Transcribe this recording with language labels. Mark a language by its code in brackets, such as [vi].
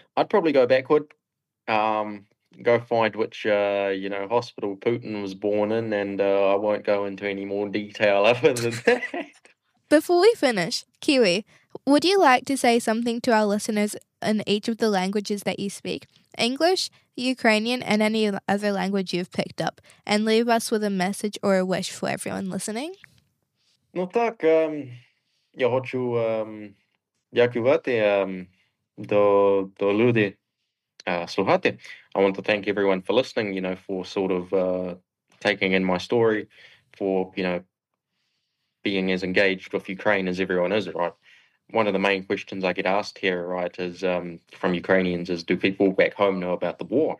[en] I'd probably go backward. Go find which, hospital Putin was born in, and I won't go into any more detail other than that. Before we finish, Kiwi, would you like to say something to our listeners in each of the languages that you speak? English, Ukrainian, and any other language you've picked up, and leave us with a message or a wish for everyone listening? [uk] Ну так, я хочу дякувати до людей. [en] I want to thank everyone for listening, for sort of taking in my story, for, being as engaged with Ukraine as everyone is, right? One of the main questions I get asked here, right, is from Ukrainians is, do people back home know about the war?